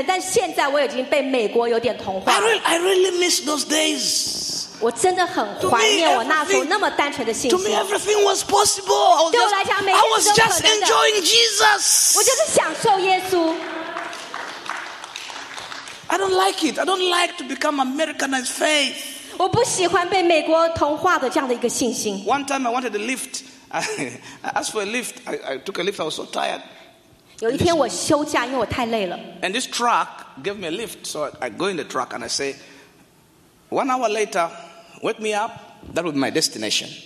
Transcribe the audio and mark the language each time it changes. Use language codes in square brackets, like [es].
[zh] 我觉得我初期的信心是完全的笃信不疑，而且像小孩子般的单纯。但现在我已经被美国有点同化了。 [en] I really miss those days. [zh] 我真的很怀念我那时候那么单纯的信心。 [en] To me, everything was possible. I was just enjoying Jesus. [zh] 我就是享受耶稣。 [en] I don't like it. I don't like to become Americanized faith. [zh] 我不喜欢被美国同化的这样的一个信心。 [en] One time I wanted a lift. I asked for a lift. I took a lift. I was so tired. [zh] 有一天我休假，因为我太累了。 [en] And this truck gave me a lift. So I go in the truck and I say, 1 hour later, wake me up. That would be my destination.